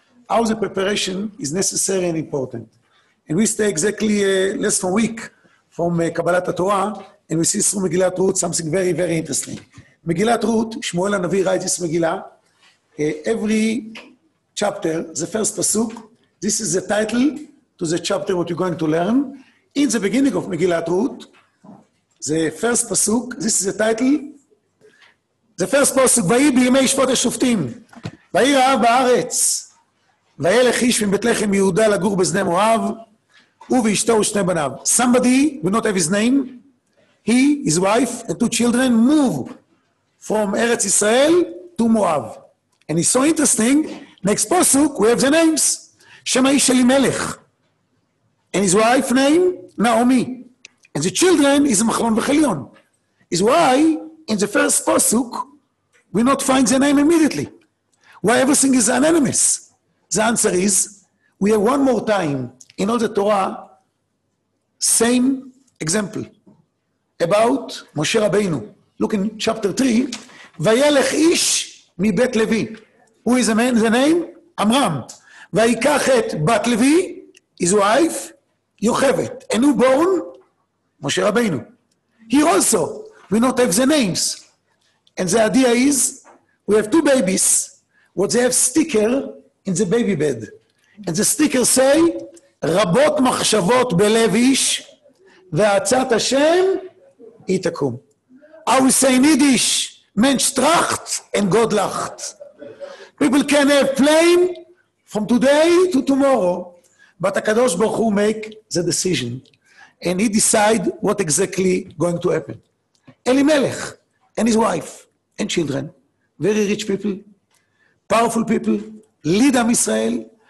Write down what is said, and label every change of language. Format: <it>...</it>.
<en>How the preparation is necessary and important. And we stay exactly less than a week from קבלת התורה, and we see through מגילת רות something very, very interesting. מגילת רות, שמואל הנביא writes מגילה, every chapter, the first פסוק, this is the title to the chapter what you're going to learn. In the beginning of מגילת רות, the first פסוק, this is the title, the first פסוק,</en> <he>ויהי בימי שפוט השופטים, ויהי רעב בארץ, וילך איש מבית לחם יהודה לגור בשדה מואב, הוא ואשתו ושני בניו.</he> <en>Somebody will not have his name, he, his wife, and two children move from ארץ ישראל to מואב. And it's so interesting, next פסוק, we have the names.</en> <he>שם האיש שלי מלך.</he> <en>And his wife name, נעמי. And the children is מחלון וחליון. Is why, in the first פסוק, we not find the name immediately. Why everything is anonymous? The answer is, we have one more time in all the Torah, same example, about Moshe Rabbeinu. Look in chapter 3,</en> <he>וילך איש מבית לוי.</he> <en>Who is the man, the name? Amram.</en> <he>ויקח את בת לוי,</he> <en>his wife, יוכבת. And who born? משה רבינו. Here also, we not have the names. And the idea is, we have two babies, what they have sticker in the baby bed. And the sticker say,</en> <he>רבות מחשבות בלב איש, ועצת השם, היא תקום.</he> <en>How we say in Yiddish,</en> <yi>Mensch tracht and God lacht.</yi> <en>People can have plane from today to tomorrow, but HaKadosh Baruch Hu make the decision, and he decide what exactly going to happen. Eli Melech and his wife and children, very rich people, powerful people, lead Am Israel.</en>